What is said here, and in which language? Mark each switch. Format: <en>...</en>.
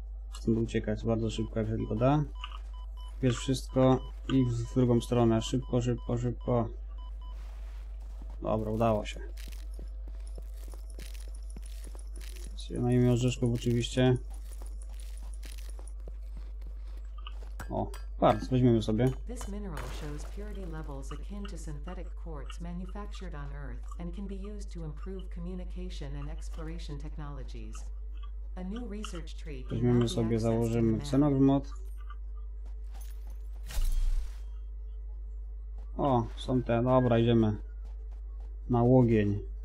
<pl>Chcę uciekać bardzo szybko, jak się tylko da. Wiesz wszystko i w drugą stronę. Szybko, szybko, szybko. Dobra, udało się. Najmniej orzeszków oczywiście. O, bardzo, weźmiemy sobie.</pl> <en>This mineral shows purity levels akin to synthetic quartz manufactured on Earth and can be used to improve communication and exploration technologies. A new research tree.</en> <pl>Weźmiemy sobie, założymy cenowy mod. O, są te, dobra, idziemy na łogień.</pl>